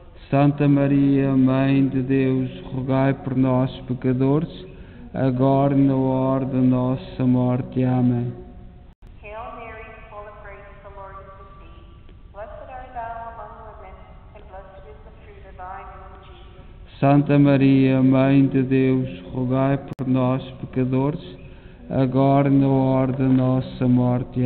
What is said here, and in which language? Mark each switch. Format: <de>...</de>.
<pt>Santa Maria, Mãe de Deus, rogai por nós, pecadores, agora e na hora da nossa morte. Amém.</pt> <en>Hail Mary, full of grace, the Lord is with thee. Blessed art thou among women, and blessed is the fruit of thy womb, Jesus.</en> <pt>Santa Maria, Mãe de Deus, rogai por nós, pecadores, agora e na hora da nossa morte.</pt>